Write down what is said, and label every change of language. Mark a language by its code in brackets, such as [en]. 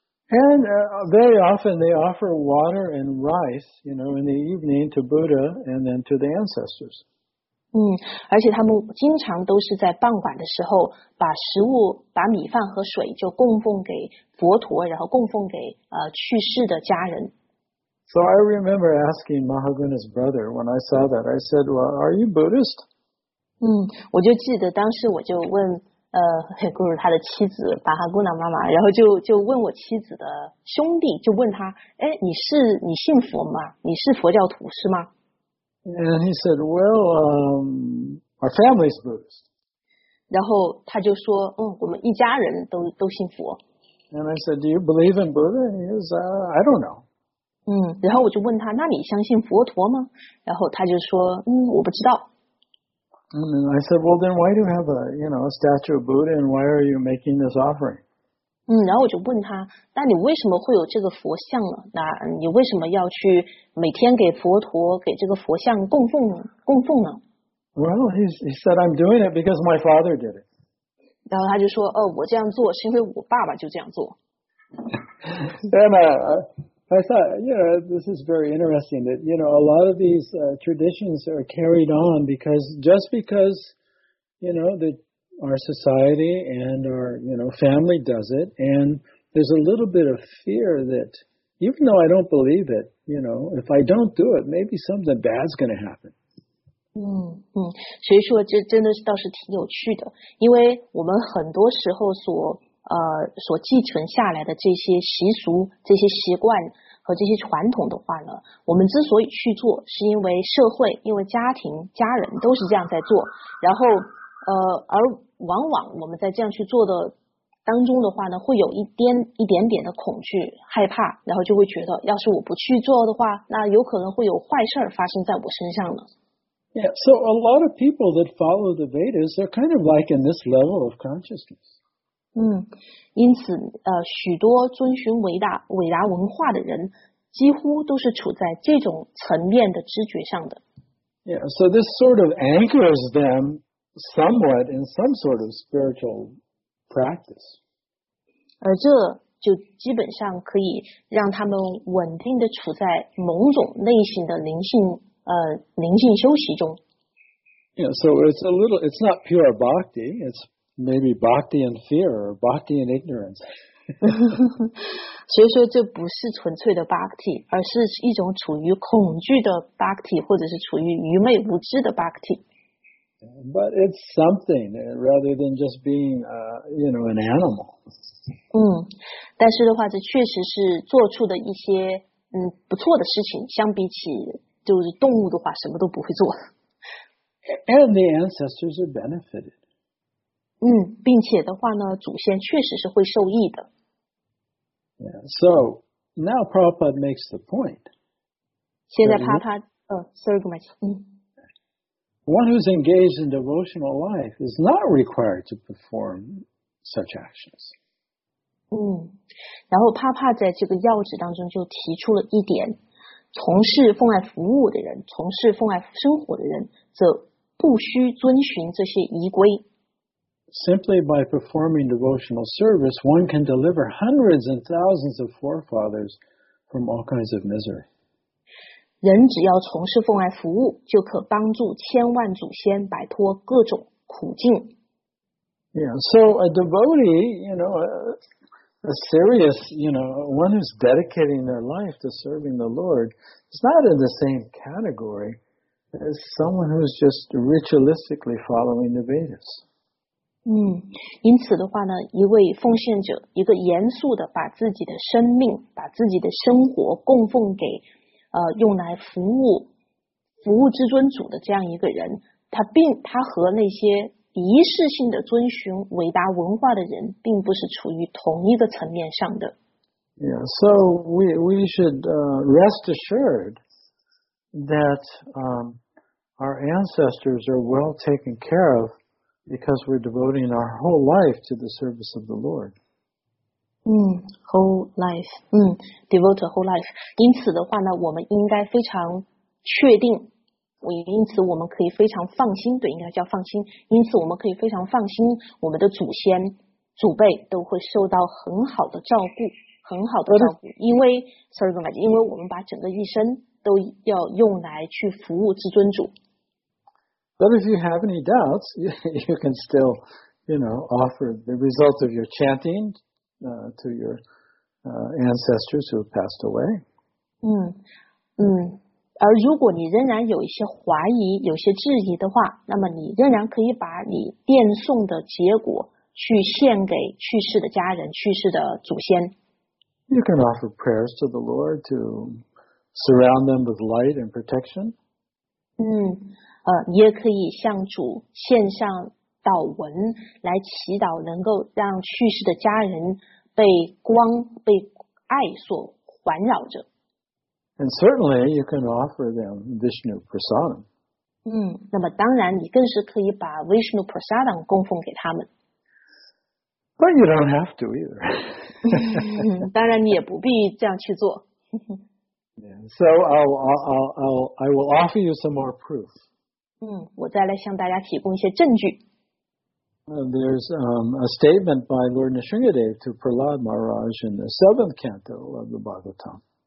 [en] And very often they offer water and rice, you know, in the evening to Buddha and then to the ancestors. [zh] 而且他们经常都是在傍晚的时候把食物、把米饭和水就供奉给佛陀，然后供奉给去世的家人。 [en] So I remember asking Mahaguna's brother when I saw that. I said, "Well, are you Buddhist?" [zh] 我就记得当时我就问。就是他的妻子巴哈姑娘妈妈，然后就问我妻子的兄弟，就问他，你信佛吗？你是佛教徒是吗 [en] ？And he said, "Well, our family's Buddhist." [zh] 然后他就说，我们一家人都信佛。 [en] And I said, "Do you believe in Buddha?" And he says, "I don't know." [zh] 然后我就问他，那你相信佛陀吗？然后他就说，我不知道。 [en] And I said, "Well, then, why do you have a statue of Buddha, and why are you making this offering?" [zh] 然后我就问他，那你为什么会有这个佛像呢？那你为什么要去每天给佛陀、给这个佛像供奉呢 [en] ？Well, he said, "I'm doing it because my father did it." [zh] 然后他就说，我这样做是因为我爸爸就这样做。 [en] Then I thought, this is very interesting that, a lot of these traditions are carried on because, that our society and our, family does it. And there's a little bit of fear that, even though I don't believe it, if I don't do it, maybe something bad's going to happen. [zh] 所以说这真的倒是挺有趣的，因为我们很多时候所继承下来的这些习俗、这些习惯和这些传统的话呢，我们之所以去做，是因为社会、因为家庭、家人都是这样在做。然后，而往往我们在这样去做的当中的话呢，会有一点点的恐惧、害怕，然后就会觉得，要是我不去做的话，那有可能会有坏事发生在我身上呢。 [en] Yeah, so a lot of people that follow the Vedas are kind of like in this level of consciousness. [zh] 因此许多遵循伟达文化的人几乎都是处在这种层面的知觉上的。 [en] Yeah, so this sort of anchors them somewhat in some sort of spiritual practice. [zh] 而这就基本上可以让他们稳定的处在某种类型的灵性修习中。 [en] Yeah, so it's not pure bhakti, it's maybe bhakti and fear, or bhakti and ignorance. [zh] 所以说这不是纯粹的 bhakti, 而是一种处于恐惧的 bhakti, 或者是处于愚昧无知的 bhakti. [en] But it's something, rather than just being, an animal. [zh] 但是的话，这确实是做出的一些不错的事情，相比起就是动物的话，什么都不会做。 [en] And the ancestors are benefited. [zh] 并且的话呢，祖先确实是会受益的。 [en] Yeah, so now Prabhupada makes the point. [zh] 现在帕帕， [en] sorry, One who's engaged in devotional life is not required to perform such actions. [zh] 然后帕帕在这个要旨当中就提出了一点，从事奉爱服务的人，从事奉爱生活的人，则不需遵循这些仪规。 [en] Simply by performing devotional service, one can deliver hundreds and thousands of forefathers from all kinds of misery. [zh] 人只要从事奉爱服务，就可帮助千万祖先摆脱各种苦境。 [en] Yeah, so a devotee, you know, a serious, you know, one who's dedicating their life to serving the Lord is not in the same category as someone who's just ritualistically following the Vedas. [zh] 因此的话呢，一位奉献者，一个严肃的把自己的生命，把自己的生活供奉给，用来服务至尊主的这样一个人，他和那些仪式性的遵循伟大文化的人，并不是处于同一个层面上的。 [en] Yeah, so we should rest assured that our ancestors are well taken care of because we're devoting our whole life to the service of the Lord. Whole life. Devote whole life. [zh] 因此的话呢，我们应该非常确定。因此我们可以非常放心，对，应该叫放心，因此我们可以非常放心，我们的祖先祖辈都会受到很好的照顾，很好的照顾，因为我们把整个一生都要用来去服务至尊主。 [en] But if you have any doubts, you can still, you know, offer the result of your chanting to your ancestors who have passed away. [zh] 而如果你仍然有一些怀疑，有些质疑的话，那么你仍然可以把你念诵的结果去献给去世的家人，去世的祖先。 [en] You can offer prayers to the Lord to surround them with light and protection. [zh] 你也可以向主献上祷文，来祈祷能够让去世的家人被光、被爱所环绕着。 [en] And certainly, you can offer them Vishnu Prasadam. [zh] 那么当然，你更是可以把 Vishnu Prasadam 供奉给他们。 [en] But you don't have to either. [zh] 当然，你也不必这样去做。 [en] So I will offer you some more proof. [zh] 我再来向大家提供一些证据。 [en] There's a statement by Lord Nrisimhadev to Prahlad Maharaj in the seventh canto of the Bhagavatam.